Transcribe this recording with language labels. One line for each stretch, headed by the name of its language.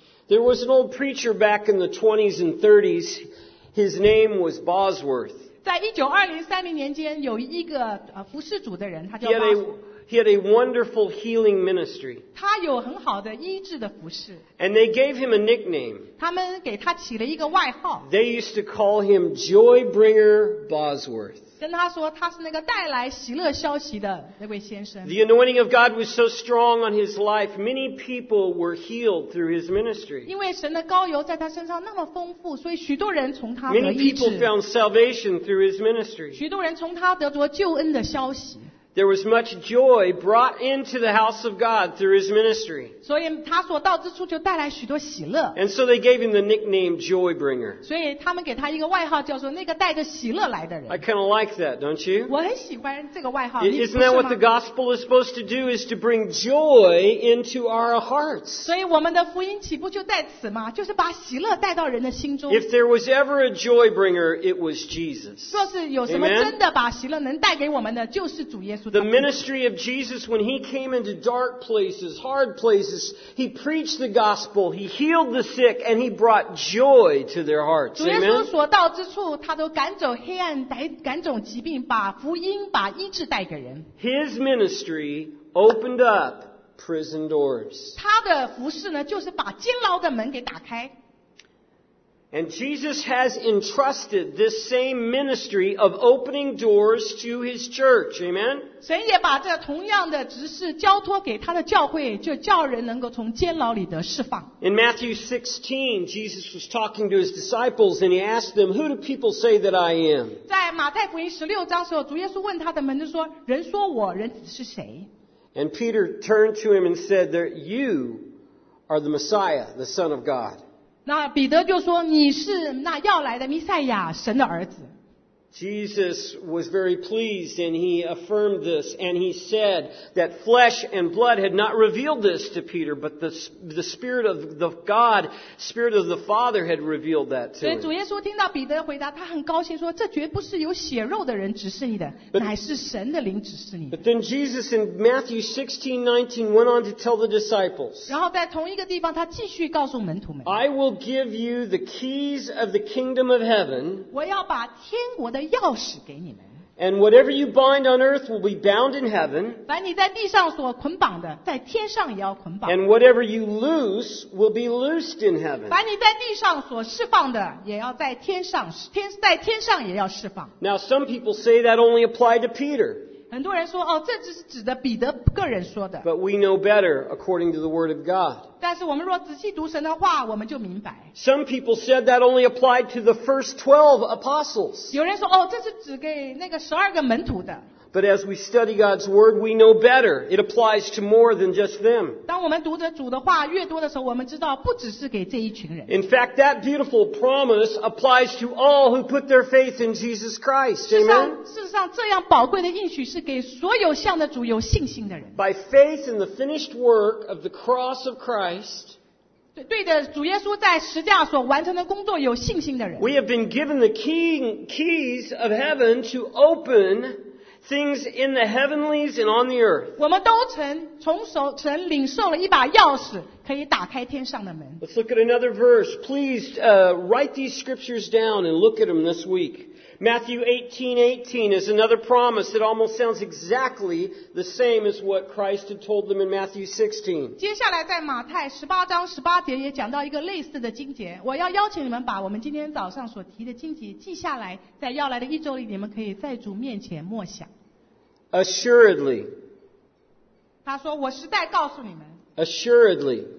English: There was an old preacher back in the 20s and 30s. His name was Bosworth.
Chinese: 在1920-30年间，有一个服侍主的人，他叫 Bosworth。
English: He had a wonderful healing ministry.
Chinese: 他有很好的医治的服事。
English: And they gave him a nickname.
Chinese: 他们给他起了一个外号。
English: They used to call him Joy Bringer Bosworth.
Chinese: 跟他说他是那个带来喜乐消息的那位先生。
English: The anointing of God was so strong on his life, many people were healed through his ministry.
Chinese: 因为神的膏油在他身上那么丰富，所以许多人从他得医治。
English: Many people found salvation through his ministry.
Chinese: 许多人从他得着救恩的消息。
English: There was much joy brought into the house of God through his ministry.
Chinese: 所以他所到之处就带来许多喜乐。
English: And so they gave him the nickname Joy Bringer.
Chinese: 所以他们给他一个外号叫做那个带着喜乐来的人。
English: I kind of like that, don't you?
Chinese: 我很喜欢这个外号。
English: Isn't that what the gospel is supposed to do, is to bring joy into our hearts?
Chinese: 所以我们的福音岂不就在此吗？就是把喜乐带到人的心中。
English: If there was ever a joy bringer, it was Jesus.
Chinese: 若是有什么真的把喜乐能带给我们的，就是主耶稣。
English: The ministry of Jesus, when he came into dark places, hard places, he preached the gospel, he healed the sick, and he brought joy to their hearts. Amen.
Chinese: 主耶稣所到之处，他都赶走黑暗，赶走疾病，把福音、把医治带给人。
English: His ministry opened up prison doors.
Chinese: 他的服事呢，就是把监牢的门给打开。
English: And Jesus has entrusted this same ministry of opening doors to his church. Amen?
Chinese: 神也把这同样的职事交托给他的教会，就叫人能够从监牢里得释放。
English: In Matthew 16, Jesus was talking to his disciples and he asked them, Who do people say that I am?
Chinese: 在马太福音16章的时候，主耶稣问他的门徒说，人说我，人子是谁？
English: And Peter turned to him and said, that you are the Messiah, the Son of God.
Chinese: 那彼得就说你是那要来的弥赛亚神的儿子。
English: Jesus was very pleased and he affirmed this and he said that flesh and blood had not revealed this to Peter, but the Spirit of the God, Spirit of the Father had revealed that to him.
Chinese: 主耶稣听到彼得回答他很高兴说这绝不是有血肉的人指示你的乃是神的灵指示你。
English: But then Jesus in Matthew 16:19 went on to tell the disciples,
Chinese: 然后在同一个地方他继续告诉门徒们
English: I will give you the keys of the kingdom of heaven,
Chinese: 我要把天国
English: And whatever you bind on earth will be bound in heaven.
Chinese: 把你在地上所捆绑的，在天上也要捆绑。
English: And whatever you loose will be loosed in heaven.
Chinese: 把你在地上所释放的，也要在天上，在天上也要释放。
English: Now some people say that only applied to Peter.
Chinese: 很多人说，哦，这只是指的彼得个人说的。
English: But we know better according to the Word of God.
Chinese: 但是我们若仔细读神的话我们就明白
English: Some people said that only applied to the first 12 apostles
Chinese: 有人说、哦、这是指给那个12个门徒的
English: But as we study God's word we know better It applies to more than just them
Chinese: 当我们读着主的话越多的时候我们知道不只是给这一群人
English: In fact that beautiful promise applies to all who put their faith in Jesus Christ
Chinese: 事实上这样宝贵的应许是给所有向着主有信心的人
English: By faith in the finished work of the cross of Christ
Chinese: 对的主耶稣在十字架所完成的工作有信心的人
English: We have been given the keys of heaven to open things in the heavenlies and on the earth
Chinese: 我们都曾从神领受了一把钥匙可以打开天上的门
English: Let's look at another verse Please write these scriptures down and look at them this week Matthew 18:18 is another promise that almost sounds exactly the same as what Christ had told them in Matthew 16.
Chinese: 接下来在马太18章18节也讲到一个类似的经节。我要邀请你们把我们今天早上所提的经节记下来，在要来的一周里，你们可以在主面前默想。
English: Assuredly.
Chinese: 他说，我实在告诉你们。
English: Assuredly.